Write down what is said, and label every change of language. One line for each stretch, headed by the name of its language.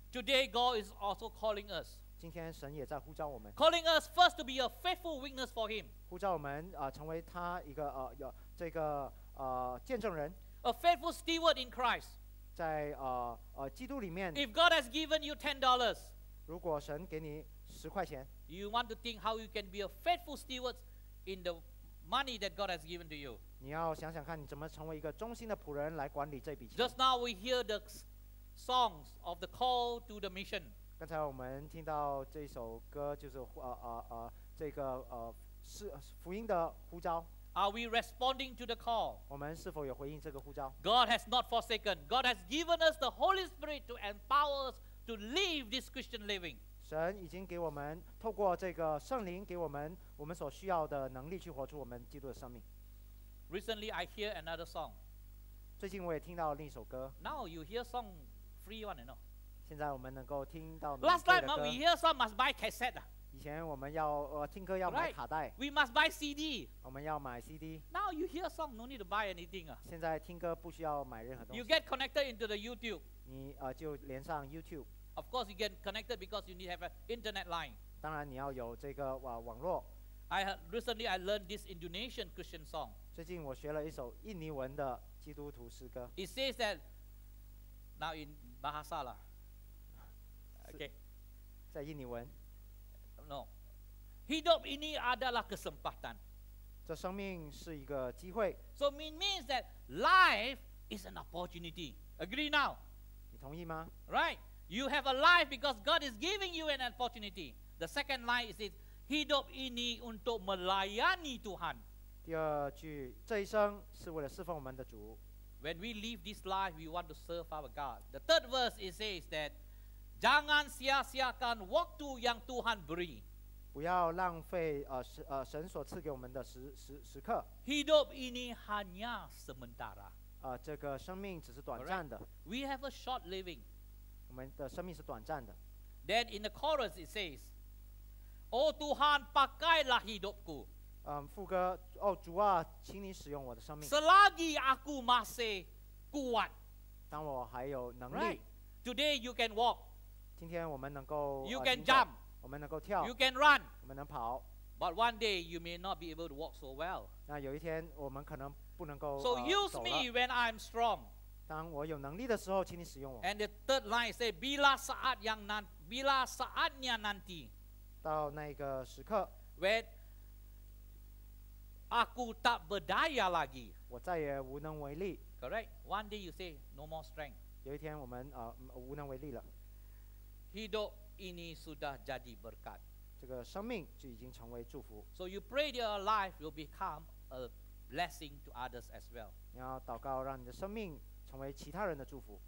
English: Today God is also calling us.
Chinese: 今天神也在呼召我们。
English: Calling us first to be a faithful witness for him.
Chinese: 呼召我们成为他一个这个见证人。
English: A faithful steward in Christ.
Chinese: 在基督里面。
English: If God has given you $10,
Chinese: 如果神给你十块钱。
English: You want to think how you can be a faithful steward in the money that God has given to you.
Chinese: 你要想想看你怎么成为一个忠心的仆人来管理这笔钱。
English: Just now we hear the songs of the call to the mission.
Chinese: 刚才我们听到这首歌就是这个福音的呼召。
English: Are we responding to the call?
Chinese: 我们是否有回应这个呼召？
English: God has not forsaken. God has given us the Holy Spirit to empower us to live this Christian living.
Chinese: 神已经给我们透过这个圣灵给我们我们所需要的能力去活出我们基督的生命。
English: Recently I hear another song.
Chinese: 最近我也听到另一首歌。
English: Now you hear song free one or not?
Chinese: 现在我们能够听到
English: Last time we hear song must buy cassette.
Chinese: 以前我们要听歌要买卡带。
English: We must buy CD.
Chinese: 我们要买 CD.
English: Now you hear song no need to buy anything.
Chinese: 现在听歌不需要买任何东西。
English: You get connected into the YouTube.
Chinese: 你就连上 YouTube.
English: Of course, you get connected because you need to have an internet line.
Chinese: 当然你要有这个网络。
English: Recently, I learned this Indonesian Christian song.
Chinese: 最近我学了一首印尼文的基督徒诗歌。
English: It says that, now in Bahasa lah. Okay.
Chinese: 在印尼文。
Indonesian: No. Hidup ini adalah kesempatan.
Chinese: 这生命是一个机会。
English: So it means that life is an opportunity. Agree now?
Chinese: 你同意吗？
English: Right. You have a life because God is giving you an opportunity. The second line is
Indonesian: hidup ini untuk melayani Tuhan.
Chinese: 第二句，这一生是为了侍奉我们的主。
English: When we live this life, we want to serve our God. The third verse it says that
Indonesian: jangan sia-siakan waktu yang Tuhan beri.
Chinese: 不要浪费神所赐给我们的时刻。
Indonesian: Hidup ini hanya sementara.
Chinese: 这个生命只是短暂的。
English: Right. We have a short living.
Chinese: 我们的生命是短暂的。
English: Then in the chorus it says,
Indonesian: Oh Tuhan, pakailah hidupku.
Chinese: 副歌，哦主啊，请你使用我的生命。
Indonesian: Selagi aku masih kuat.
Chinese: 当我还有能力。
English: Right. Today you can walk.
Chinese: 今天我们能够。
English: You can jump.
Chinese: 我们能够跳
English: you can run,
Chinese: 我们能跑
English: but one day you may not be able to walk so well.
Chinese: 那有一天我们可能不能够
English: so use me when I'm strong.
Chinese: 当我有能力的时候，请你使用我。
English: And the third line say,
Indonesian: bila saat yang nan, bila saatnya nanti,
Chinese: 到那个时刻
English: when
Indonesian: aku tak berdaya lagi,
Chinese: 我再也无能为力
English: correct. One day you say, no more strength.
Chinese: 有一天我们无能为力了。
Indonesian: Hidup ini sudah jadi berkat.
Chinese: 这个生命就已经成为祝福。
English: So you pray that your life will become a blessing to others as well.
Chinese: 你要祷告让你的生命成为其他人的祝福。